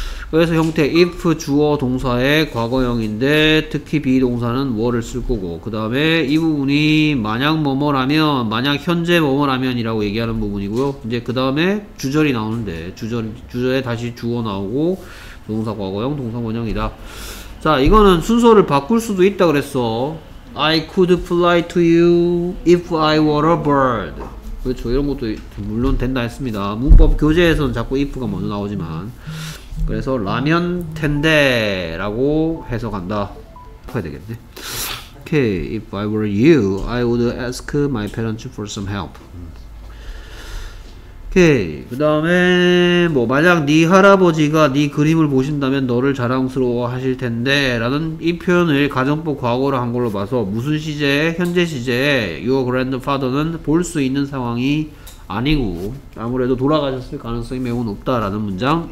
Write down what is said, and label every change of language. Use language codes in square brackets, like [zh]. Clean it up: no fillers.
[ko] 그래서 형태 if 주어 동사의 과거형인데 특히 be 동사는 were를 쓸 거고, 그 다음에 이 부분이 만약 뭐뭐라면, 만약 현재 뭐뭐라면 이라고 얘기하는 부분이고요. 이제 그 다음에 주절이 나오는데 주절에 다시 주어 나오고 동사 과거형 동사 원형이다. 자, 이거는 순서를 바꿀 수도 있다 그랬어. [en] I could fly to you if I were a bird. [ko] 그렇죠. 이런 것도 물론 된다 했습니다. 문법 교재에서는 자꾸 if가 먼저 나오지만, 그래서 라면 텐데 라고 해석한다 해야 되겠네. [en] Okay, if I were you, I would ask my parents for some help. [ko] Okay, 그 다음에 뭐 만약 네 할아버지가 네 그림을 보신다면 너를 자랑스러워 하실 텐데 라는 이 표현을 가정법 과거로 한 걸로 봐서 무슨 시제에, 현재 시제에 your grandfather는 볼 수 있는 상황이 아니고 아무래도 돌아가셨을 가능성이 매우 높다라는 문장.